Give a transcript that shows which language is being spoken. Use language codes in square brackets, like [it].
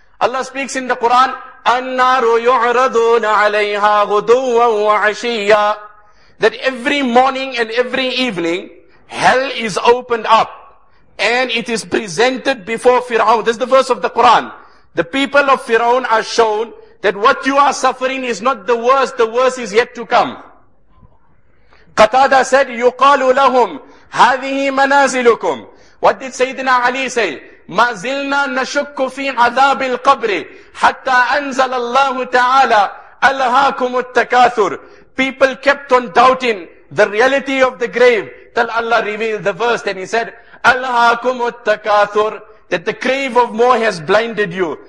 [en] Allah speaks in the Quran, [ar] أَنَّارُ يُعْرَضُونَ عَلَيْهَا غُدُوًا وَعَشِيًّا. [en] That every morning and every evening, hell is opened up and it is presented before Fir'aun. This is the verse of the Quran. The people of Fir'aun are shown that what you are suffering is not the worst. The worst is yet to come. Qatada said, [ar] يُقَالُ لَهُمْ هَذِهِ مَنَازِلُكُمْ. [en] What did Sayyidina Ali say? [ar] مَازِلْنَا نَشُكُّ فِي عَذَابِ الْقَبْرِ حَتَّى أَنزَلَ اللَّهُ تَعَالَى أَلْهَاكُمُ التَّكَاثُرِ. [en] People kept on doubting the reality of the grave till Allah revealed the verse. Then he said, [ar] أَلْهَاكُمُ التَّكَاثُرِ. [en] That the crave of more has blinded you.